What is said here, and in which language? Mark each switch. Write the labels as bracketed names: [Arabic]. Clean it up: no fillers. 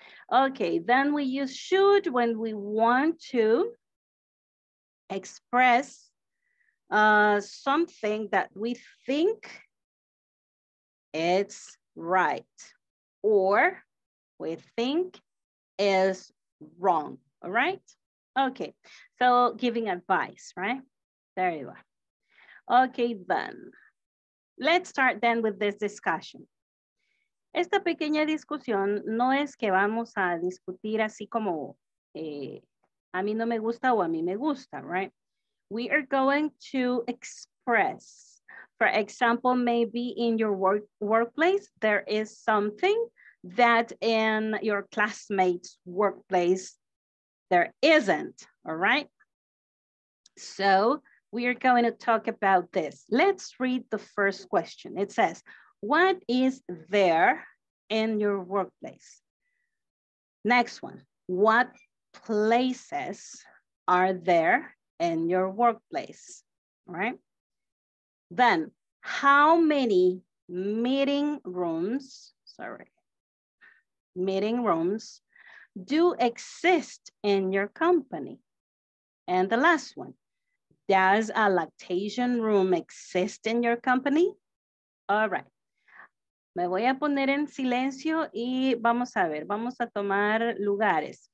[English] Okay, then we use should when we want to express something that we think it's right or we think is wrong, all right? Okay, so giving advice, right? There you are. Okay, then let's start then with this discussion. [Spanish] Esta pequeña discusión no es que vamos a discutir así como a mí no me gusta o a mí me gusta, right? [English] We are going to express. For example, maybe in your workplace, there is something that in your classmate's workplace, there isn't, all right? So we are going to talk about this. Let's read the first question. It says, what is there in your workplace? Next one, what places are there in your workplace, right? Then, how many meeting rooms do exist in your company? And the last one, does a lactation room exist in your company? All right. [Spanish] Me voy a poner en silencio y vamos a ver, vamos a tomar lugares.